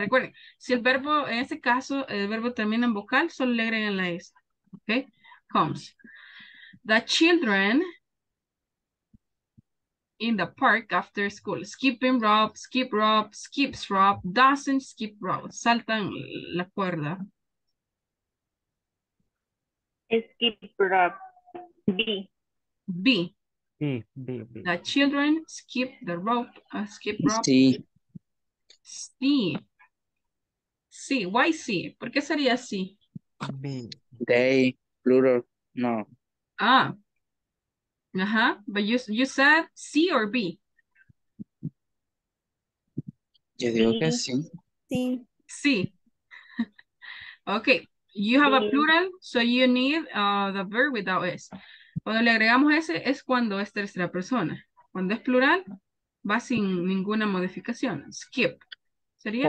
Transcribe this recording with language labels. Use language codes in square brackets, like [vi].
[es] Recuerden, si el verbo, en ese caso, el verbo termina en vocal, solo le agregan la S. [en] Ok. Comes. The children in the park after school, skipping rope, skip rope, skips rope, doesn't skip rope, [es] saltan la cuerda. [en] Skip rope. B. The children skip the rope, skip rope. C. Why C? [es] ¿Por qué sería C? [en] B. They, plural, no. Ah. Uh-huh, but you said C or B? [es] Yo digo que sí. Sí. [en] Okay, you have a plural, so you need the verb without S. [es] Cuando le agregamos S es cuando es tercera persona. Cuando es plural, va sin ninguna modificación. Skip. ¿Sería?